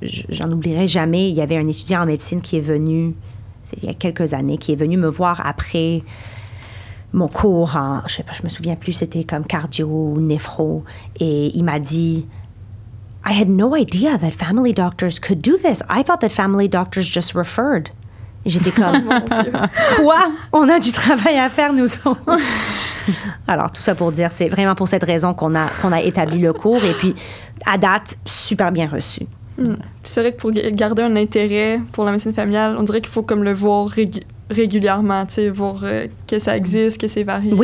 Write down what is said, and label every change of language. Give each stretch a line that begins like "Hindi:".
French: J'en oublierai jamais, il y avait un étudiant en médecine qui est venu, il y a quelques années, qui est venu me voir après mon cours en, je sais pas, je me souviens plus, c'était comme cardio ou néphro, et il m'a dit, «
English: I had no idea that family doctors could do this. I thought that family doctors just referred. »
French: J'étais comme, quoi? On a du travail à faire, nous autres. Alors, tout ça pour dire, c'est vraiment pour cette raison qu'on a établi le cours. Et puis, à date, super bien reçu. C'est vrai que pour garder un intérêt pour la médecine familiale, on dirait qu'il faut comme le voir régulièrement, tu sais, voir que ça existe, que c'est varié.